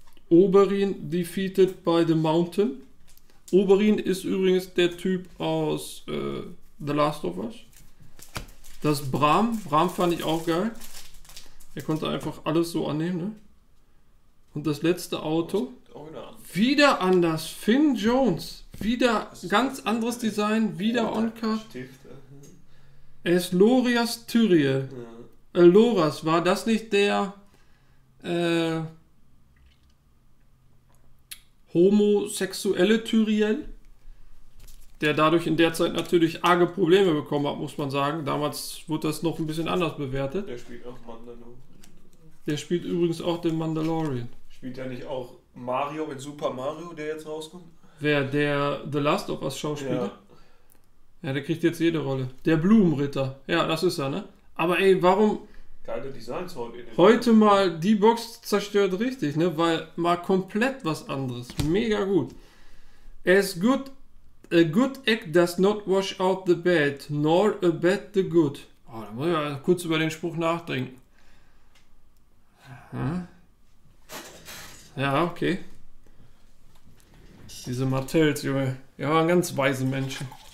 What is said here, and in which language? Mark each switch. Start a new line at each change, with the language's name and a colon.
English: Oberyn defeated by the Mountain.
German: Oberyn ist übrigens der Typ aus The Last of Us. Das Bram. Bram fand ich auch geil. Er konnte einfach alles so annehmen. Ne? Und das letzte Auto. Wieder anders. Finn Jones. Wieder ganz anderes Design. Wieder on-cut. Es Lorias Tyriel. Ja. Loras. War das nicht der homosexuelle Tyriel? Der dadurch in der Zeit natürlich arge Probleme bekommen hat, muss man sagen. Damals wurde das noch ein bisschen anders bewertet. Der spielt auch Mandalorian. Der spielt übrigens auch den Mandalorian. Spielt er nicht auch Mario mit Super Mario, der jetzt rauskommt? Wer, der The Last of Us Schauspieler? Ja. Ja, der kriegt jetzt jede Rolle. Der Blumenritter. Ja, das ist er, ne? Aber ey, warum... Geile Designs heute. Heute mal die Box zerstört richtig, ne? Weil mal komplett was anderes. Mega gut. Er ist gut...
English: A good egg does not wash out the bad, nor a bad the good.
German: Oh, da muss ich mal kurz über den Spruch nachdenken. Ja, okay. Diese Martells, Junge. Ja, waren ganz weise Menschen.